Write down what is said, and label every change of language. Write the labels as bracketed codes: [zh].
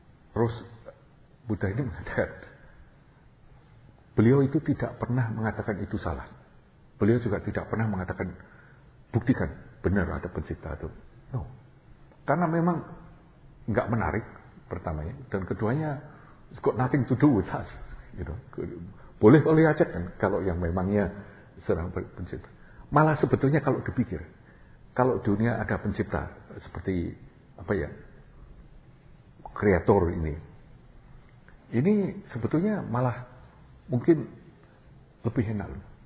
[id] Terus Buddha ini mengatakan, beliau itu tidak pernah mengatakan itu salah. Beliau juga tidak pernah mengatakan, buktikan benar ada pencipta itu. [en] No. [id] Karena memang enggak menarik pertamanya. Dan keduanya, [en] it's got nothing to do with us. You know? [id] Boleh aja kan kalau yang memangnya serang pencipta. Malah sebetulnya kalau dipikir, kalau dunia ada pencipta seperti apa ya, kreator ini sebetulnya malah mungkin lebih enak loh.